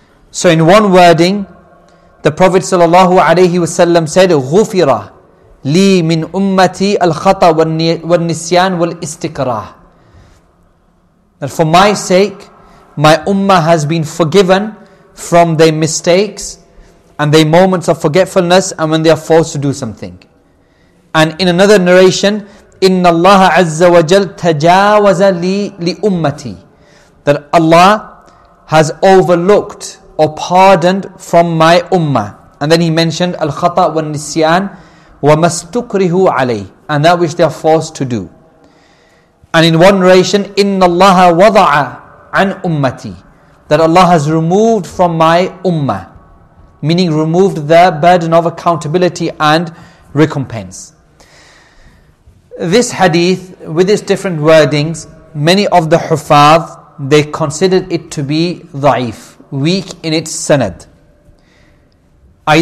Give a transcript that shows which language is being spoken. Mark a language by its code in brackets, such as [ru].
[en] So in one wording, the Prophet sallallahu alayhi wasallam said, [ar] غُفِرَ لِي مِنْ أُمَّتِي الْخَطَى وَالنِّسْيَانِ وَالْإِسْتِكْرَاهِ. [en] That for my sake, my ummah has been forgiven from their mistakes and their moments of forgetfulness and when they are forced to do something. And in another narration, [ar] إِنَّ اللَّهَ عَزَّ وَجَلْ تَجَاوَزَ لِأُمَّتِي. [en] That Allah has overlooked or pardoned from my ummah. And then he mentioned [ar] الخطأ والنسيان وَمَسْتُكْرِهُ عَلَيْهِ, [en] and that which they are forced to do. And in one narration, [ar] إِنَّ اللَّهَ وَضَعَ عَنْ أُمَّتِي. [en] That Allah has removed from my ummah, meaning removed the burden of accountability and recompense. This hadith, with its different wordings, many of the Hufaz, they considered it to be da'if, weak in its sanad. I.e.